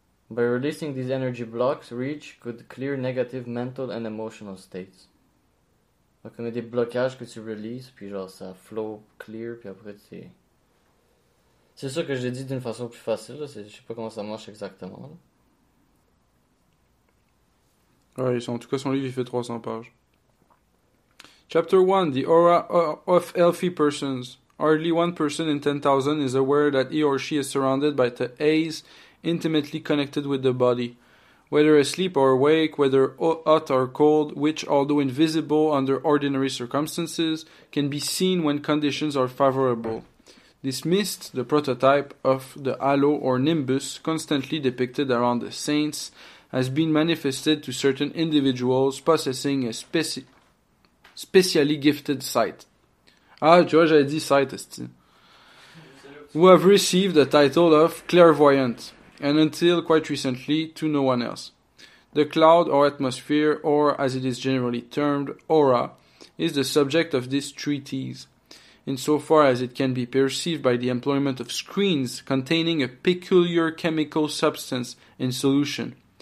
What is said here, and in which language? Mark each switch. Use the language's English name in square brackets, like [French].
[English] By releasing these energy blocks, Reich could clear negative mental and emotional states. [French] Donc, il y a des blocages que tu releases, puis genre ça flow clear, puis après tu... C'est sûr que je l'ai dit d'une façon plus facile. Je sais pas comment ça marche exactement. Ouais, en tout cas, son livre, il fait 300 pages. [English] Chapter 1, The Aura of Healthy Persons. Hardly one person in 10,000 is aware that he or she is surrounded by the haze intimately connected with the body. Whether asleep or awake, whether hot or cold, which, although invisible under ordinary circumstances, can be seen when conditions are favorable. This mist, the prototype of the halo or nimbus, constantly depicted around the saints, has been manifested to certain individuals possessing a specially gifted sight. [French] Ah, tu vois, j'avais dit sight, est-ce-t-il? [English] Who have received the title of clairvoyant, and until quite recently, to no one else. The cloud or atmosphere, or as it is generally termed, aura, is the subject of this treatise. Insofar as it can be perceived by the employment of screens containing a peculiar chemical substance in solution.